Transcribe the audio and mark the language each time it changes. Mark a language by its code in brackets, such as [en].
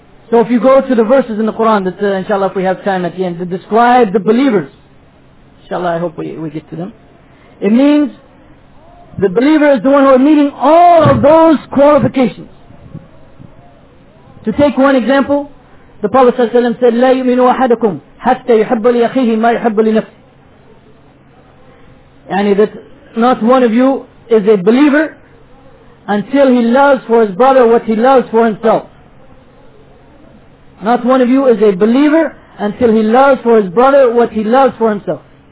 [en] So if you go to the verses in the Quran, that inshallah if we have time at the end, to describe the believers, inshallah I hope we get to them, it means the believer is the one who are meeting all of those qualifications. To take one example, the Prophet ﷺ said, [ar] لَا يُؤْمِنُ أَحَدَكُمْ حَتَّى يُحَبَّ لِيَخِيهِ مَا يُحَبَّ لِنَفْسِهِ. [en] Yani that not one of you is a believer until he loves for his brother what he loves for himself. Not one of you is a believer until he loves for his brother what he loves for himself.